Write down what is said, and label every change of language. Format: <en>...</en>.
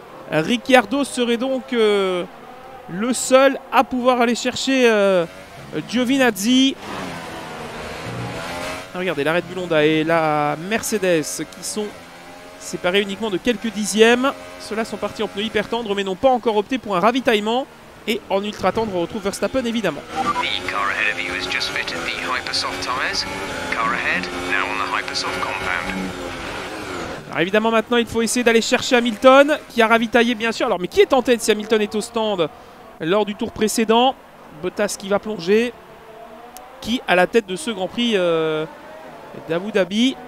<fr>Ricciardo serait donc le seul à pouvoir aller chercher Giovinazzi. Regardez, la Red Bull Honda et la Mercedes qui sont séparés uniquement de quelques dixièmes. Ceux-là sont partis en pneus hyper tendres mais n'ont pas encore opté pour un ravitaillement. Et en ultra tendre, on retrouve Verstappen évidemment.</fr> <en>The car ahead of you has just fitted the hypersoft tires. Car ahead, now on the hypersoft compound.</en> <fr>Alors évidemment maintenant il faut essayer d'aller chercher Hamilton qui a ravitaillé bien sûr. Alors mais qui est en tête si Hamilton est au stand lors du tour précédent? Bottas qui va plonger. Qui à la tête de ce Grand Prix d'Abu Dhabi?</fr>